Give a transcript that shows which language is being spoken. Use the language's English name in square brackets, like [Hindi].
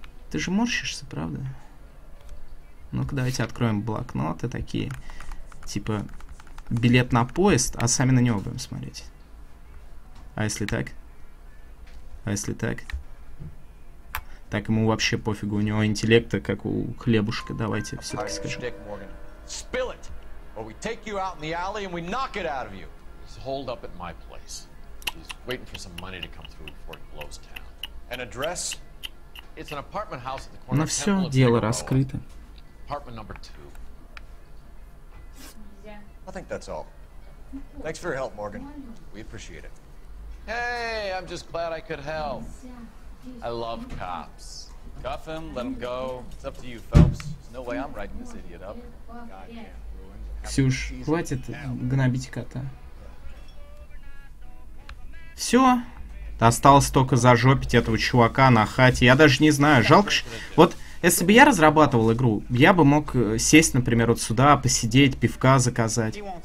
[Russian] Ты же морщишься, правда? Ну-ка, давайте откроем блокноты такие. Типа, билет на поезд, а сами на него будем смотреть. А если так? А если так? Так, ему вообще пофигу, у него интеллекта, как у хлебушка. Давайте все-таки скажем. [English] Spill it, or we take you out in the alley and we knock it out of you. He's holed up at my place. He's waiting for some money to come through before it blows town. An address? It's an apartment house at the corner. [Russian] На все дело раскрыто. [English] Apartment number two. Yeah. I think that's all. Thanks for your help, Morgan. We appreciate it. Hey, I'm just glad I could help. I love cops. Cuff him, let him go. It's up to you, Phelps. There's no way I'm writing this idiot up. [Russian] Ксюш, хватит гнобить кота. Все. Осталось только зажопить этого чувака на хате. Я даже не знаю. Жалко. Вот, если бы я разрабатывал игру, я бы мог сесть, например, вот сюда, посидеть, пивка заказать.